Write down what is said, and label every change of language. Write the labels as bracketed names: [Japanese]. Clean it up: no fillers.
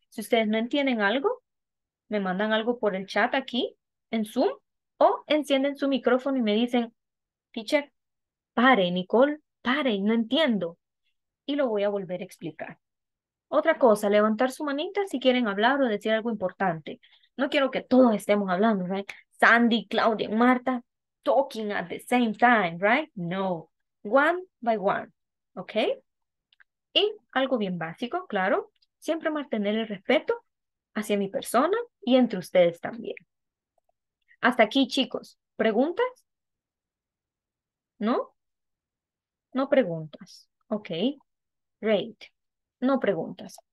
[Spanish] Si ustedes no entienden algo, me mandan algo por el chat aquí en Zoom o encienden su micrófono y me dicen, teacher, pare, Nicole, pare, no entiendo. Y lo voy a volver a explicar. Otra cosa, levantar su manita si quieren hablar o decir algo importante. No quiero que todos estemos hablando, right? [English] Sandy, Claudia, Marta, talking at the same time, right? No. One by one, ¿ok? [Spanish] Y algo bien básico, claro, siempre mantener el respeto hacia mi persona y entre ustedes también. Hasta aquí, chicos. ¿Preguntas? ¿No? No preguntas. Ok. Great. No preguntas.